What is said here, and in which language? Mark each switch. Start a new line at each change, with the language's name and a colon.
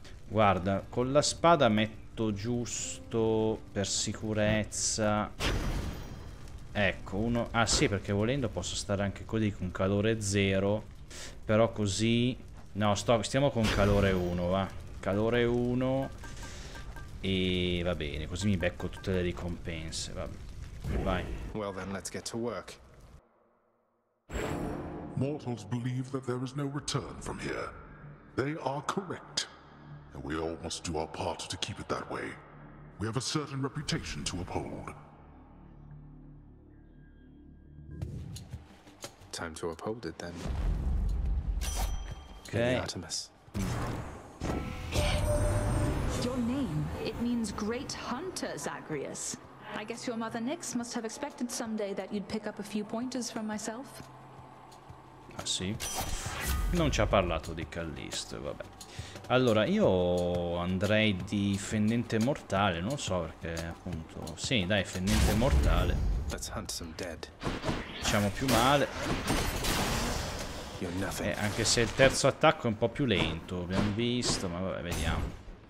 Italian: Guarda, con la spada metto giusto per sicurezza. Ecco, uno. Ah sì, perché volendo posso stare anche così con calore 0. Però così. No, stiamo con calore 1, va. Calore 1. E va bene, così mi becco tutte le ricompense. Vabbè. Vai.
English: Well then, let's get to work. Mortals believe that there is no return from here. They are correct. And we all must do our part to keep it that way. We have a certain reputation to uphold. Time to uphold it then. Okay. Maybe Artemis. Your name, it means great hunter, Zagreus. I guess your mother Nyx must have expected someday that you'd pick up a few pointers from myself.
Italian: Ah sì. Non ci ha parlato di Callisto, vabbè. Allora, io andrei di fendente mortale, non so perché appunto. Sì, dai, fendente mortale.
English: Let's hunt some dead.
Italian: Facciamo più male. Anche se il terzo attacco è un po' più lento, abbiamo visto, ma vabbè, vediamo.